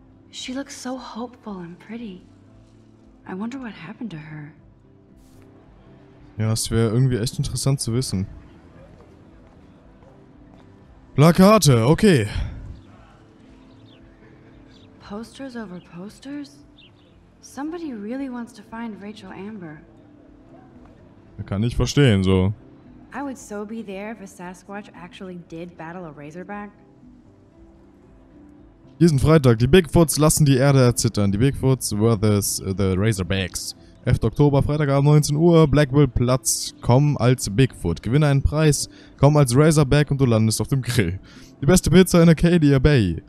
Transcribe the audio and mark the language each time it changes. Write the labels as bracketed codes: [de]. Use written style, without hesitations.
[en] She looks so hopeful and pretty. I wonder what happened to her. [de] Ja, es wäre irgendwie echt interessant zu wissen. Plakate, okay. [en] Posters over posters? Somebody really wants to find Rachel Amber. [de] Das kann ich verstehen, so. [en] I would so be there if a Sasquatch actually did battle a Razorback. [de] Diesen Freitag, die Bigfoots lassen die Erde erzittern. Die Bigfoots [en] versus the Razorbacks. [de] 11. Oktober, Freitagabend, 19 Uhr, Blackwell Platz. Komm als Bigfoot, gewinne einen Preis. Komm als Razorback und du landest auf dem Grill. Die beste Pizza in Acadia Bay.